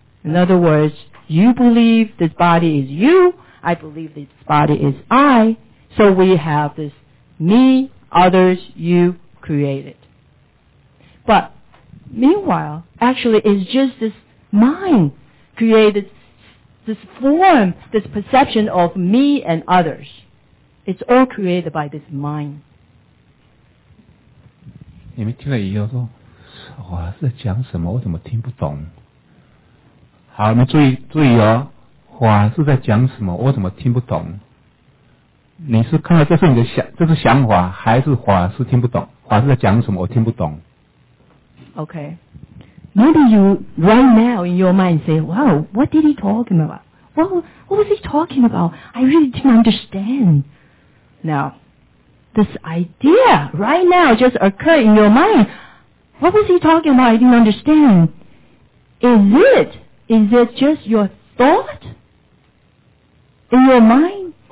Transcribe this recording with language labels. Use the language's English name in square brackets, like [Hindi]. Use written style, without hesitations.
[English] In other words, you believe this body is you, I believe this body is I, so we have this me, others, you created. But meanwhile, actually it's just this mind created this form, this perception of me and others. It's all created by this mind. [Chinese] 你们听了以后说，哇，这讲什么？我怎么听不懂？好，你们注意哦，哇，是在讲什么？我怎么听不懂？你是看到这是你的想，这是想法，还是法是听不懂？法是在讲什么？我听不懂。 [English] Okay, maybe you right now in your mind say, "Wow, what did he talk about? What was he talking about? I really didn't understand." Now. This idea right now just occurred in your mind. What was he talking about? I didn't understand. Is it just your thought in your mind?